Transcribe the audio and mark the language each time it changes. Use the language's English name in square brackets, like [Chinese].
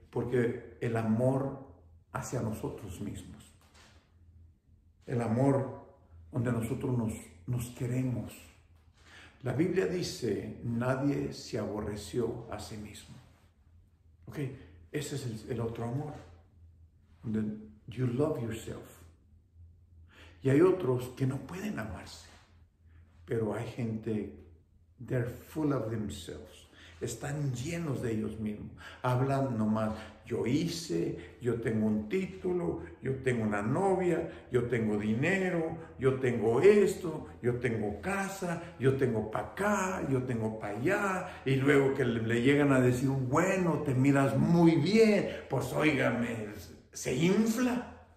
[Spanish] Porque el amor hacia nosotros mismos. El amor donde nosotros nos queremos. La Biblia dice, nadie se aborreció a sí mismo. Ok, ese es el otro amor. Donde [English] you love yourself. [Spanish] Y hay otros que no pueden amarse. Pero hay gente, [English] they're full of themselves. [Spanish] Están llenos de ellos mismos. Hablan nomás, yo hice, yo tengo un título, yo tengo una novia, yo tengo dinero, yo tengo esto, yo tengo casa, yo tengo para acá, yo tengo para allá. Y luego que le llegan a decir, bueno, te miras muy bien, pues óigame, se infla.